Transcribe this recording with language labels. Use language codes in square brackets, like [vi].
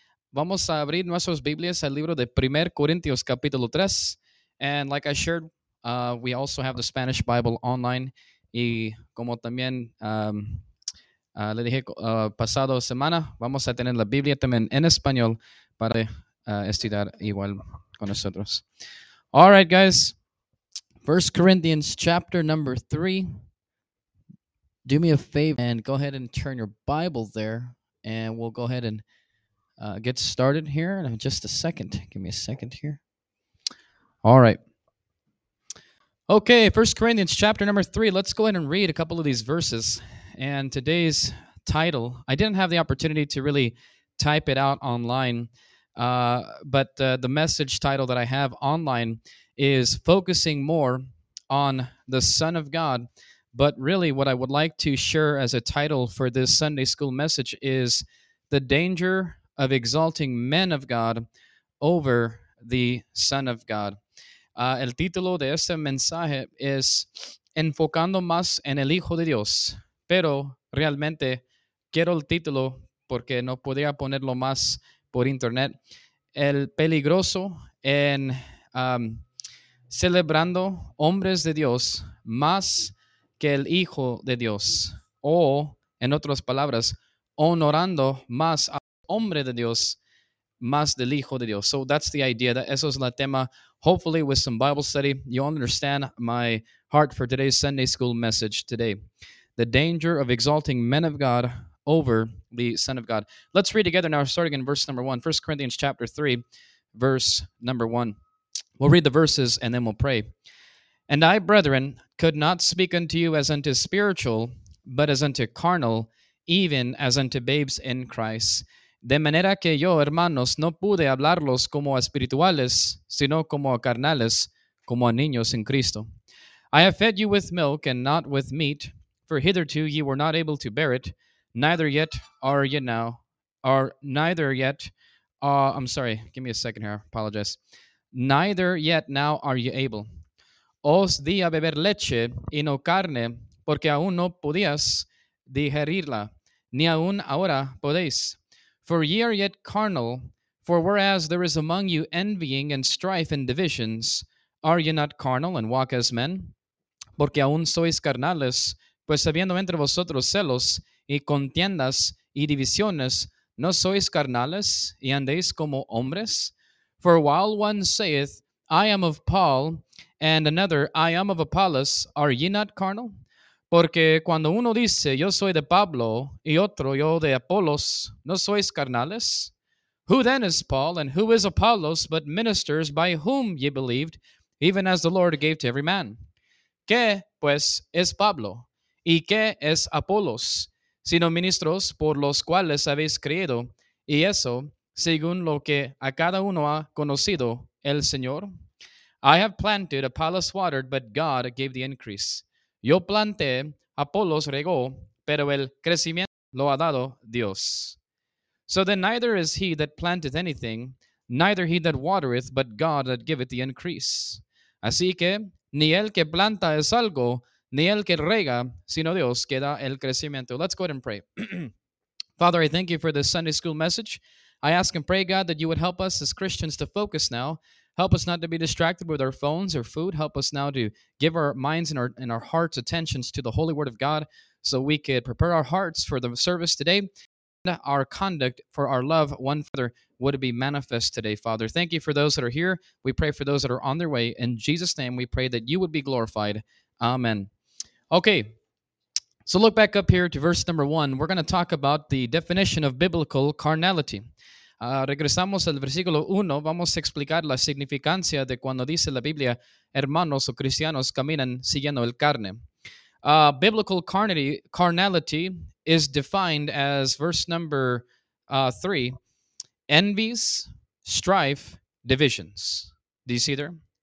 [es] Vamos a abrir nuestras Biblias al libro de 1 Corintios, capítulo 3. [en] And like I shared, we also have the Spanish Bible online. [es] Y como también le dije pasado semana, vamos a tener la Biblia también en español para estudiar igual con nosotros. [en] All right, guys. 1 Corinthians, chapter number 3. Do me a favor and go ahead and turn your Bible there, and we'll go ahead and get started here in just a second. Give me a second here. All right. Okay, 1 Corinthians chapter number 3. Let's go ahead and read a couple of these verses. And today's title, I didn't have the opportunity to really type it out online, but the message title that I have online is Focusing More on the Son of God. But really, what I would like to share as a title for this Sunday school message is The Danger of Exalting Men of God Over the Son of God. [es] El título de este mensaje es Enfocando Más en el Hijo de Dios. Pero realmente quiero el título porque no podía ponerlo más por internet. El peligroso en celebrando hombres de Dios más que el Hijo de Dios, o, en otras palabras, honorando más al hombre de Dios, más del Hijo de Dios. [en] So that's the idea. [es] Eso es la tema. [en] Hopefully, with some Bible study, you'll understand my heart for today's Sunday school message today. The danger of exalting men of God over the Son of God. Let's read together now, starting in verse number 1, 1 Corinthians chapter 3, verse number 1. We'll read the verses, and then we'll pray. And I, brethren, could not speak unto you as unto spiritual, but as unto carnal, even as unto babes in Christ. [es] De manera que yo, hermanos, no pude hablarlos como espirituales, sino como carnales, como niños en Cristo. [en] I have fed you with milk and not with meat, for hitherto ye were not able to bear it, neither yet now are ye able. [es] Os di a beber leche y no carne, porque aún no podías digerirla, ni aún ahora podéis. [en] For ye are yet carnal, for whereas there is among you envying and strife and divisions, are ye not carnal and walk as men? [es] Porque aún sois carnales, pues habiendo entre vosotros celos y contiendas y divisiones, ¿no sois carnales y andéis como hombres? [en] For while one saith, I am of Paul, and another, I am of Apollos, are ye not carnal? [es] Porque cuando uno dice, yo soy de Pablo, y otro, yo de Apollos, ¿no sois carnales? [en] Who then is Paul, and who is Apollos, but ministers by whom ye believed, even as the Lord gave to every man? [es] ¿Qué, pues, es Pablo? ¿Y qué es Apollos? Sino ministros por los cuales habéis creído, y eso, según lo que a cada uno ha conocido el Señor. [en] I have planted, Apollos watered, but God gave the increase. [es] Yo planté, Apollos regó, pero el crecimiento lo ha dado Dios. [en] So then neither is he that planteth anything, neither he that watereth, but God that giveth the increase. [es] Así que, ni el que planta es algo, ni el que rega, sino Dios que da el crecimiento. [en] Let's go ahead and pray. Father, I thank you for this Sunday school message. I ask and pray, God, that you would help us as Christians to focus now. Help us not to be distracted with our phones or food. Help us now to give our minds and our hearts attentions to the Holy Word of God so we could prepare our hearts for the service today. And our conduct for our love one further would be manifest today, Father. Thank you for those that are here. We pray for those that are on their way. In Jesus' name, we pray that you would be glorified. Amen. Okay, so look back up here to verse number 1. We're going to talk about the definition of biblical carnality. [es] Regresamos al versículo 1, vamos a explicar la significancia de cuando dice la Biblia, hermanos o cristianos caminan siguiendo el carne. [en] Biblical carnality is defined as verse number 3, envies, strife, divisions. Do you see there?